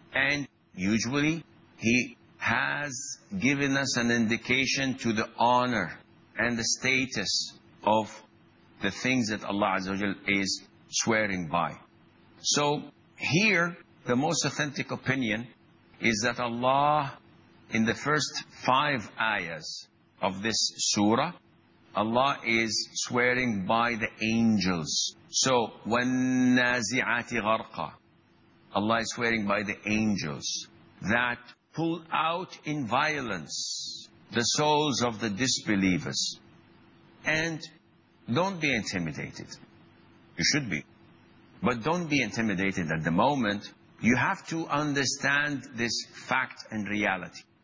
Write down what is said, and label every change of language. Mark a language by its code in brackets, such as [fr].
[en] And usually He has given us an indication to the honor and the status of the things that Allah Azza wa Jal is swearing by. So here, the most authentic opinion is that Allah, in the first 5 ayahs of this surah, Allah is swearing by the angels. [ar] So, وَالنَّازِعَاتِ غَرْقَى. [en] Allah is swearing by the angels that pull out in violence the souls of the disbelievers. And don't be intimidated. You should be. But don't be intimidated at the moment. You have to understand this fact and reality.